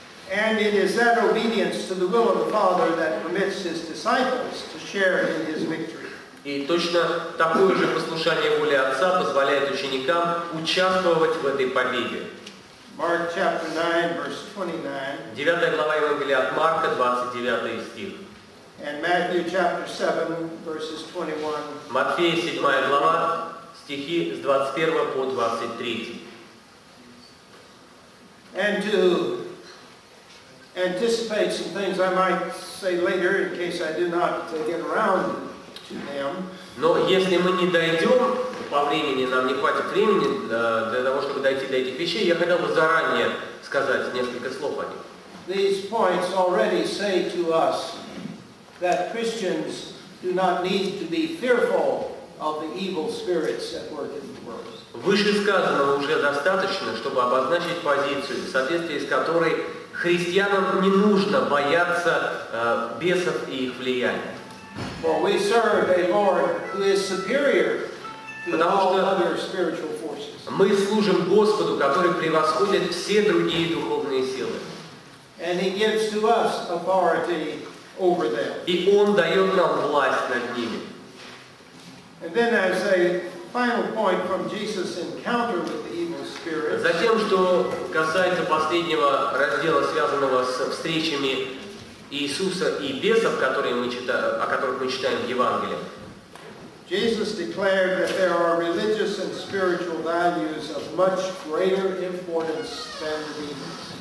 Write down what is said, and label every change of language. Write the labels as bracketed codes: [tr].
[en] And it is that obedience to the will of the Father that permits his disciples to share in his victory. [ru] И точно такое же послушание воли Отца позволяет ученикам участвовать в этой победе. [en] Mark chapter 9, verse 29. [ru] 9 глава Евангелия от Марка, 29 стих. [en] And Matthew chapter 7, verses 21. [ru] Матфея 7 глава, стихи с 21 по 23. [en] And to anticipate some things I might say later in case I do not get around. [ru] Но если мы не дойдем по времени, нам не хватит времени для того, чтобы дойти до этих вещей, я хотел бы заранее сказать несколько слов о них. [en] These points already say to us that Christians do not need to be fearful of the evil spirits at work in the world. [ru] Вышесказанного уже достаточно, чтобы обозначить позицию, в соответствии с которой христианам не нужно бояться бесов и их влияния. [en] For we serve a Lord who is superior to all other spiritual forces. [ru] Мы служим Господу, который превосходит все другие духовные силы. [en] And he gives to us authority over them. [ru] И он дает нам власть над ними. [en] And then as a final point from Jesus' encounter with the evil spirits. [ru] Затем, что касается последнего раздела, связанного с встречами Иисуса и бесов, о которых мы читаем в Евангелии. [en] Jesus declared that there are religious and spiritual values of much greater importance than the demons.